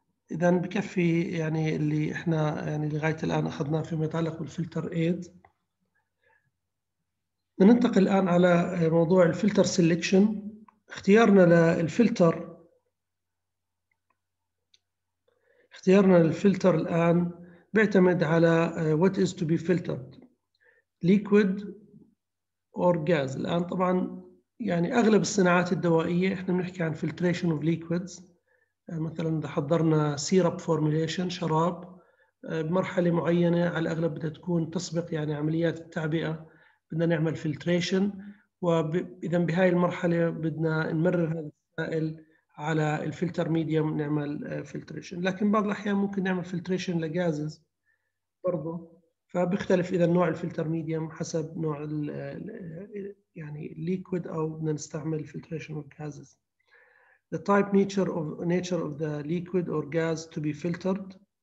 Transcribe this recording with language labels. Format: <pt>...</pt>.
<ar>إذا بكفي يعني اللي إحنا يعني لغاية الآن أخذناه فيما يتعلق بالفلتر ايد. ننتقل الآن على موضوع الفلتر سيليكشن، اختيارنا للفلتر. اختيارنا للفلتر الآن بيعتمد على</ar> <en>what is to be filtered, liquid or gas.</en> <ar>الآن طبعا يعني أغلب الصناعات الدوائية احنا بنحكي عن</ar> <en>filtration of liquids،</en> <ar>مثلا إذا حضرنا</ar> <en>syrup formulation</en> <ar>شراب بمرحلة معينة على الأغلب بدها تكون تسبق يعني عمليات التعبئة، بدنا نعمل فلتريشن، وإذا بهاي المرحلة بدنا نمرر هذا السائل على الفلتر ميديوم نعمل فلتريشن. لكن بعض الأحيان ممكن نعمل فلتريشن لغازز برضه، فبيختلف إذا نوع الفلتر ميديوم حسب نوع يعني الليكويد أو بدنا نستعمل فلتريشن غازز.</ar> <en>The type nature of the liquid or gas to be filtered.</en>